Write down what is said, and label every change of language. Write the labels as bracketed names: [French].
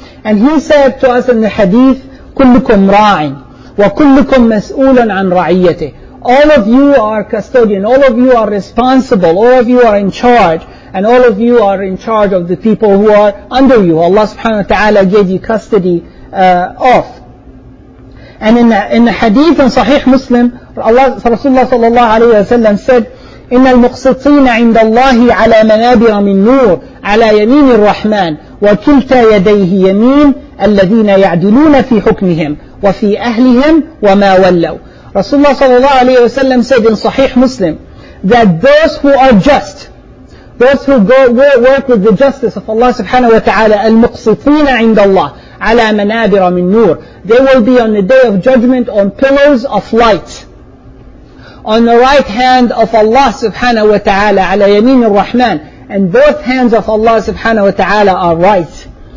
[English] And he said to us in the hadith, [Arabic] كلكم راعٍ وكلكم مسؤولٌ عن رعيته. [English] All of you are custodian, all of you are responsible, all of you are in charge, and all of you are in charge of the people who are under you. Allah subhanahu wa ta'ala gave you custody of. And in the hadith in Sahih Muslim, Rasulullah sallallahu alayhi wa sallam said, [Arabic] إِنَّ الْمُقْسِطِينَ عِنْدَ اللَّهِ عَلَى مَنَابِرَ مِنْ نُورٍ عَلَى يَمِينِ الرَّحْمَنِ وَكِلْتَ يَدَيْهِ يَمِينَ الَّذِينَ يَعْدِلُونَ فِي حُكْمِهِمْ وَفِي أَهْلِهِمْ وَمَا وَلَّوْا. [English] Rasulullah sallallahu alayhi wa sallam said in Sahih Muslim that those who are just, those who go work with the justice of Allah subhanahu wa ta'ala, [Arabic] الْمُقْسِطِينَ عِنْدَ اللَّهِ عَلَى مَنَابِرَ مِنْ نُورٍ, [English] they will be on the day of judgment on pillars of light, on the right hand of Allah subhanahu wa ta'ala, [Arabic] عَلَى يَمِينِ الرَّحْمَنِ, [English] and both hands of Allah subhanahu wa ta'ala are right.